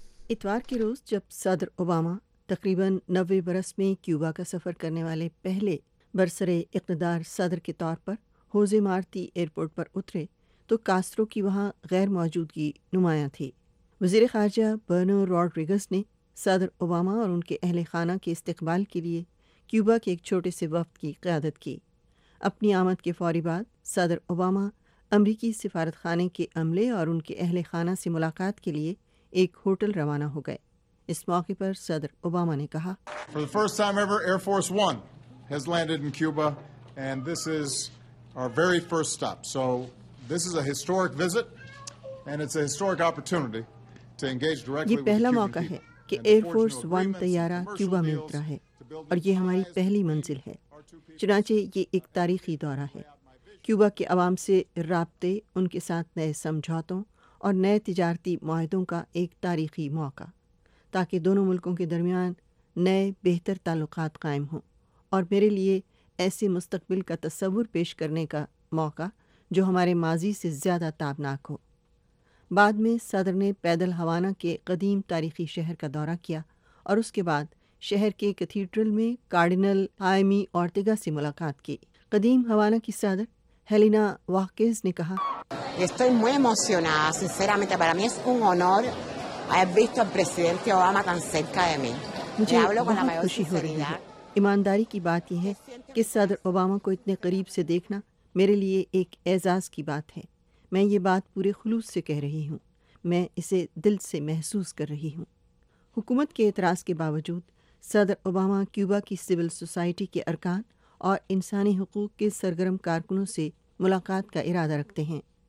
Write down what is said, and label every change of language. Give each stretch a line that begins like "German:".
Urdu: اتوار کے روز جب صدر اوباما تقریباً 90 برس میں کیوبا کا سفر کرنے والے پہلے برسر اقتدار صدر کے طور پر ہوزے مارتی ایئرپورٹ پر اترے تو کاسٹرو کی وہاں غیر موجودگی نمایاں تھی۔ وزیر خارجہ برنو روڈریگز نے صدر اوباما اور ان کے اہل خانہ کے استقبال کے لیے کیوبا کے ایک چھوٹے سے وفد کی قیادت کی۔ اپنی آمد کے فوری بعد صدر اوباما امریکی سفارت خانے کے عملے اور ان کے اہل خانہ سے ملاقات کے لیے ایک ہوٹل روانہ ہو گئے۔ اس موقع پر صدر اوباما نے کہا،
English: For the first time ever, Air Force One has landed in Cuba, and this is our very first stop. So this is a historic visit, and it's a historic opportunity to engage directly with the Cuban people. This is the first time Air Force One
Urdu: تیارہ Cuba میں اترا ہے، اور یہ ہماری پہلی منزل ہے۔ چنانچہ یہ ایک تاریخی دورہ ہے۔ کیوبا کے عوام سے رابطے، ان کے ساتھ نئے سمجھوتوں اور نئے تجارتی معاہدوں کا ایک تاریخی موقع، تاکہ دونوں ملکوں کے درمیان نئے بہتر تعلقات قائم ہوں، اور میرے لیے ایسے مستقبل کا تصور پیش کرنے کا موقع جو ہمارے ماضی سے زیادہ تابناک ہو۔ بعد میں صدر نے پیدل ہوانا کے قدیم تاریخی شہر کا دورہ کیا، اور اس کے بعد شہر کے کیتھیڈرل میں کارڈینل آئمی اورتیگا سے ملاقات کی۔ قدیم ہوانا کی صدر ہیلینا واکیز نے کہا،
Spanish: Estoy muy emocionada, sinceramente para mí es un honor haber visto al presidente Obama tan cerca de mí.
Urdu: مجھے بہت خوشی ہو رہی ہے۔ ایمانداری کی بات یہ ہے کہ صدر اوباما کو اتنے قریب سے دیکھنا میرے لیے ایک اعزاز کی بات ہے۔ میں یہ بات پورے خلوص سے کہہ رہی ہوں، میں اسے دل سے محسوس کر رہی ہوں۔ حکومت کے اعتراض کے باوجود صدر اوباما کیوبا کی سول سوسائٹی کے ارکان اور انسانی حقوق کے سرگرم کارکنوں سے ملاقات کا ارادہ رکھتے ہیں۔